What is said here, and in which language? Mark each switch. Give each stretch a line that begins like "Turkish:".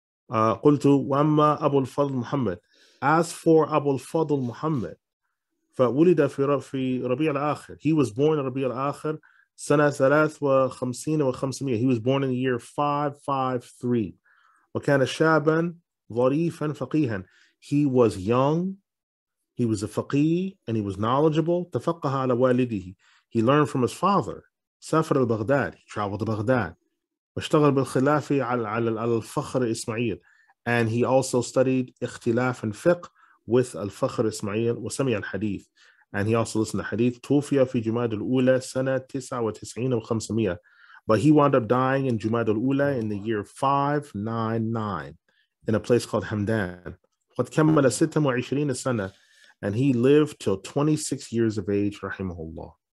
Arabic: Qultu wa amma
English: Abu al-Fadl Muhammad, as for Abu al-Fadl Muhammad,
Arabic: fa wulida fi
English: Rabi' al-Akhir, he was born in Rabi' al-Akhir,
Arabic: sana 53 wa 500,
English: he was born in the year 553.
Arabic: وكان شابا ظريفا فقيها,
English: he was young, he was a faqih, and he was knowledgeable.
Arabic: تفقه على والده,
English: he learned from his father.
Arabic: سافر لبغداد,
English: he traveled to Baghdad.
Arabic: واشتغل بالخلاف على الفخر إسماعيل,
English: and he also studied
Arabic: اختلاف
English: and fiqh with
Arabic: الفخر إسماعيل. وسمع الحديث,
English: and he also listened to hadith.
Arabic: توفي في جماد الأولى سنة 99 و500,
English: but he wound up dying in Jumad al-Ula in the year 599 in a place called Hamdan.
Arabic: Qad kammala 26 sana,
English: and he lived till 26 years of age, rahimahullah.